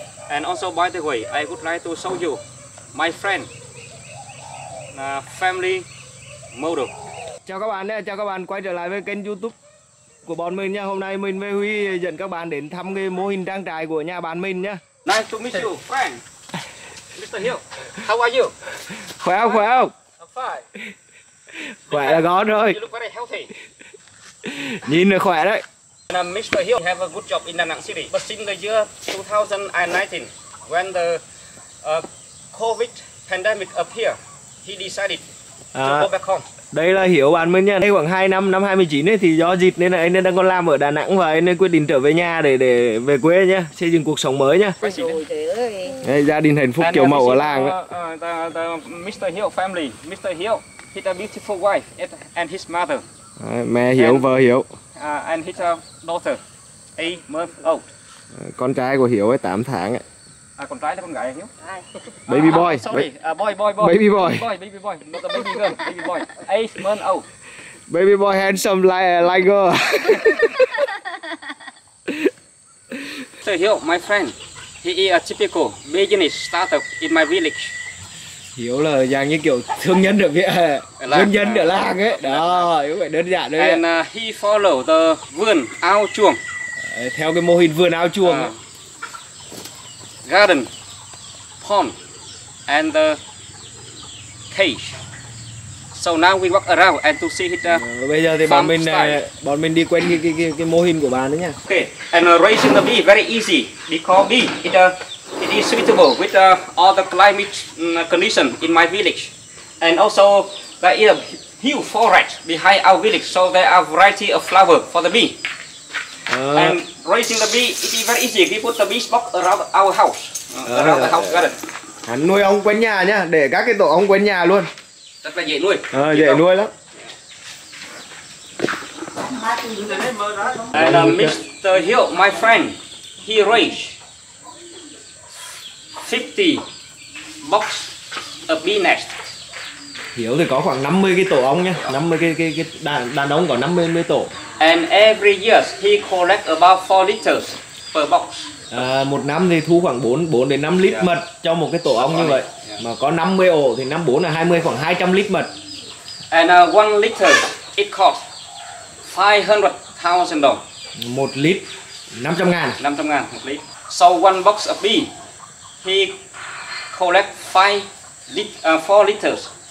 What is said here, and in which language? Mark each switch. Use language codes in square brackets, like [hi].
[en] And also, by the way, I would like to show you my friend, family motto. [vi] Chào các bạn nhé, chào các bạn quay trở lại với kênh YouTube của bọn mình nha. Hôm nay mình với Huy dẫn các bạn đến thăm cái mô hình trang trại của nhà bạn mình nhé. [en] Nice to meet you, friend. Mr. Hill, how are you? [vi] Khỏe không, khỏe không? [en] I'm fine. [vi] Khỏe là gọn rồi. [en] You look very healthy. [vi] Nhìn là khỏe đấy. [en] And I'm Mr. Hill, have a good job in Đà Nẵng City. But since the year 2019, when the COVID pandemic appeared, he decided to go back home. [vi] Đây là Hiếu bạn mình nha. Đây khoảng 2 năm, năm 29 ấy, thì do dịch nên là anh đang còn làm ở Đà Nẵng và anh quyết định trở về nhà để về quê nhá, xây dựng cuộc sống mới nhá. Đây, gia đình hạnh phúc kiểu mẫu ở làng ấy. [en] Mr. Hiếu family, Mr. Hiếu, he's a beautiful wife and his mother. [vi] Mẹ Hiếu, vợ Hiếu. [en] And his daughter, 8 months old. [vi] Con trai của Hiếu ấy 8 tháng ấy. Con trai là con gái hiểu? [en] Baby boy. Sorry. Baby boy. Baby boy. 8 months old. Baby boy handsome like girl. So Hiếu, my friend, he is a typical business startup in my village. [vi] Hiếu là dạng như kiểu thương nhân ở Việt, thương nhân ở làng ấy. Đó, Hiếu phải đơn giản đấy. [en] And he follow the [vi] vườn ao chuồng. Theo cái mô hình vườn ao chuồng. [en] Garden, pond, and the cage. So now we walk around and to see his farm style. [vi] Bây giờ thì bọn mình đi quen cái mô hình của bạn đấy nha. [en] Okay, and raising the bee very easy because bee it is suitable with all the climate condition in my village, and also there is a huge forest behind our village, so there are variety of flower for the bee. And raising the bee, it is very easy. We put the bee box around our house, around the house garden. [vi] Hắn nuôi ong quanh nhà nhá, để các cái tổ ong quanh nhà luôn. Rất là dễ nuôi. Dễ nuôi lắm. [en] And Mr. Hill, my friend, he raise 50 box of bee nest. [vi] Hiểu thì có khoảng 50 cái tổ ong nhá, 50 cái đàn ong có 50 tổ. [en] And every year he collect about 4 liters per box. [vi] Một năm thì thu khoảng 4 đến 5 lít mật cho một cái tổ ong như vậy. Mà có 50 ổ thì 54 là 20, khoảng 200 lít mật. [en] And 1 liter it cost $500,000. [vi] 1 lít 500,000. 500,000 một lít. [en] So one box of bee he collect 4 liters.